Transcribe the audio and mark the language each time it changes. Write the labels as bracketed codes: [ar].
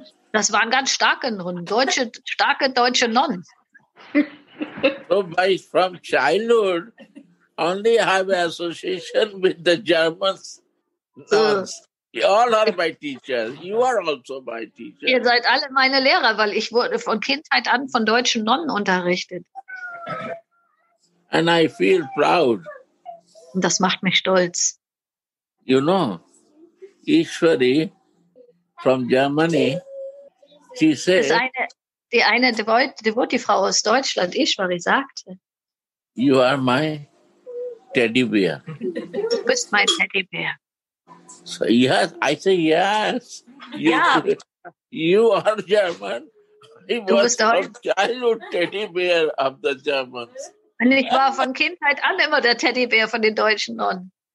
[de] Das waren ganz starke Nonnen, starke deutsche Nonnen. [en] So by from childhood only have association with the Germans. Nuns. You all are my teachers. You are also my teacher. [de] Ihr seid alle meine Lehrer, weil ich wurde von Kindheit an von deutschen Nonnen unterrichtet. [en] And I feel proud. [de] Und das macht mich stolz. [en] You know, Ishwari from Germany, she said, [de] die eine Devoti-Frau aus Deutschland, Ishwari, sagte, [en] you are my teddy bear. [de] Du bist mein Teddy Bear. [en] So, yes, I say yes. You are German. He was a childhood teddy bear of the Germans. [de] Und ich war von Kindheit an immer der Teddybär von den deutschen Nonnen.